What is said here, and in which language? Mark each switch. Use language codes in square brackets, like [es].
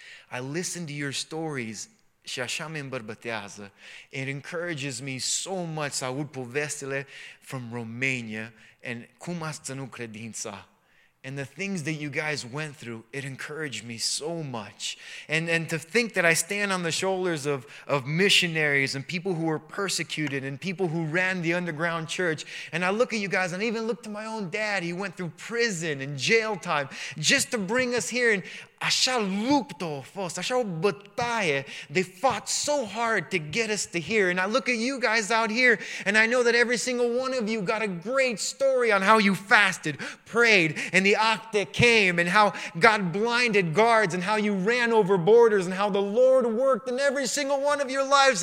[en] I listen to your stories [ro] și așa mă îmbărbătează. [en] It encourages me so much [ro] să aud povestile [en] from Romania. [ro] And cum ați ținut credința? [en] And the things that you guys went through, it encouraged me so much. And to think that I stand on the shoulders of missionaries and people who were persecuted and people who ran the underground church. And I look at you guys, and I even look to my own dad. He went through prison and jail time just to bring us here. [ro] And așa luptă a fost, așa o bătaie. [en] They fought so hard to get us to here. And I look at you guys out here, and I know that every single one of you got a great story on how you fasted, prayed, and the octa came, and how God blinded guards, and how you ran over borders, and how the Lord worked in every single one of your lives.